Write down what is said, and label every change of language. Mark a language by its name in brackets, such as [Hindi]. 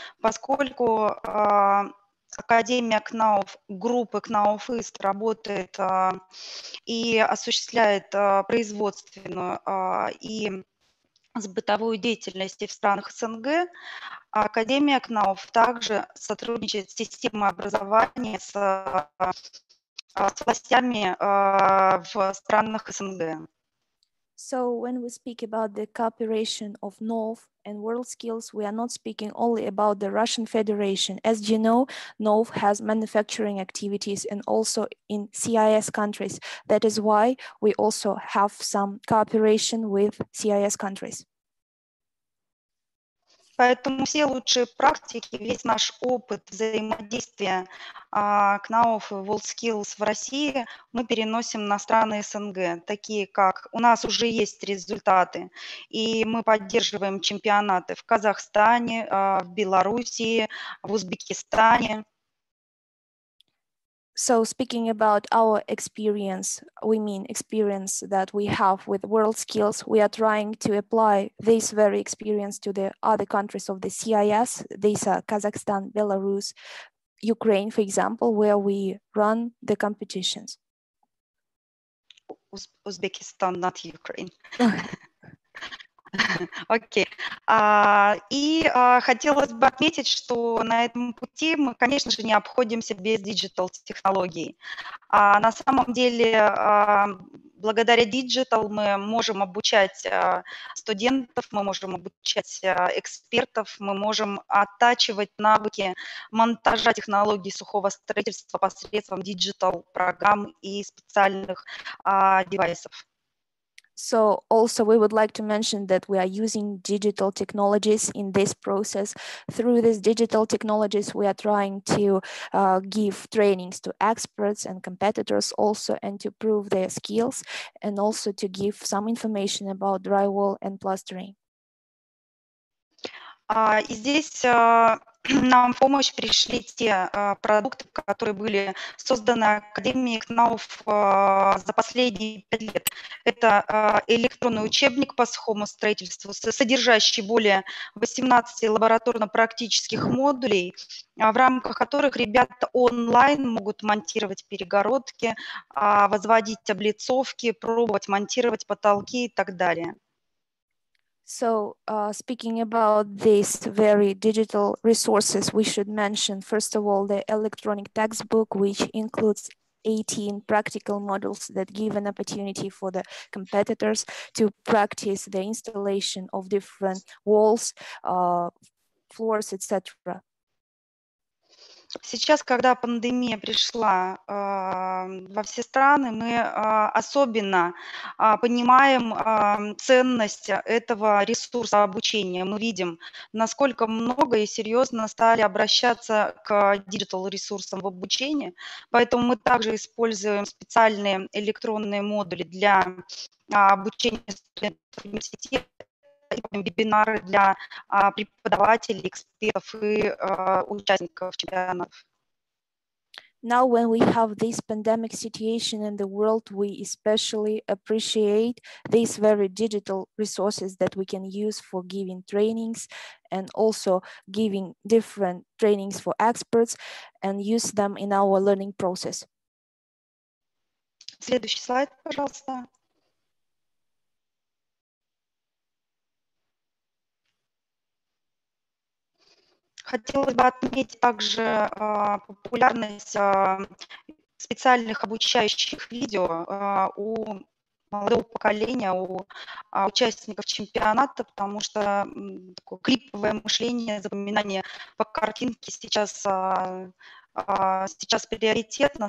[Russian] Поскольку Академия КНАУФ, группы КНАУФ ИСТ работает и осуществляет производственную и сбытовую деятельность в странах СНГ, Академия КНАУФ также сотрудничает с системой образования с властями в странах СНГ. [English] So when we speak about the cooperation of KNAUF and WorldSkills, we are not speaking only about the Russian Federation. As you know, KNAUF has manufacturing activities and also in CIS countries. That is why we also have some cooperation with CIS countries. [Russian] Поэтому все лучшие практики, весь наш опыт взаимодействия КНАУФ и WorldSkills в России мы переносим на страны СНГ, такие как у нас уже есть результаты, и мы поддерживаем чемпионаты в Казахстане, в Белоруссии, в Узбекистане. [English] So speaking about our experience, we mean experience that we have with WorldSkills, we are trying to apply this very experience to the other countries of the CIS. These are Kazakhstan, Belarus, Ukraine, for example, where we run the competitions. Uzbekistan, not Ukraine. [Russian] Окей. Хотелось бы отметить, что на этом пути мы, конечно же, не обходимся без диджитал-технологий. На самом деле благодаря Digital мы можем обучать студентов, мы можем обучать экспертов, мы можем оттачивать навыки монтажа технологий сухого строительства посредством Digital программ и специальных девайсов. [English] So also we would like to mention that we are using digital technologies in this process. Through these digital technologies, we are trying to give trainings to experts and competitors also, and to prove their skills, and also to give some information about drywall and plastering. [Russian] Нам в помощь пришли те продукты, которые были созданы Академией КНАУФ за последние 5 лет. Это электронный учебник по сухому строительству, содержащий более 18 лабораторно-практических модулей, в рамках которых ребята онлайн могут монтировать перегородки, возводить облицовки, пробовать монтировать потолки и так далее. [English] So speaking about these very digital resources, we should mention, first of all, the electronic textbook, which includes 18 practical modules that give an opportunity for the competitors to practice the installation of different walls, floors, etc. [Russian] Сейчас, когда пандемия пришла во все страны, мы особенно понимаем ценность этого ресурса обучения. Мы видим, насколько много и серьезно стали обращаться к диджитал-ресурсам в обучении. Поэтому мы также используем специальные электронные модули для обучения студентов университета, вебинары для преподавателей, экспертов и участников чемпионатов. [English] Now, when we have this pandemic situation in the world, we especially appreciate these very digital resources that we can use for giving trainings and also giving different trainings for experts and use them in our learning process. [Russian] Следующий слайд, пожалуйста. Хотелось бы отметить также популярность специальных обучающих видео у молодого поколения, у участников чемпионата, потому что такое клиповое мышление, запоминание по картинке сейчас приоритетно.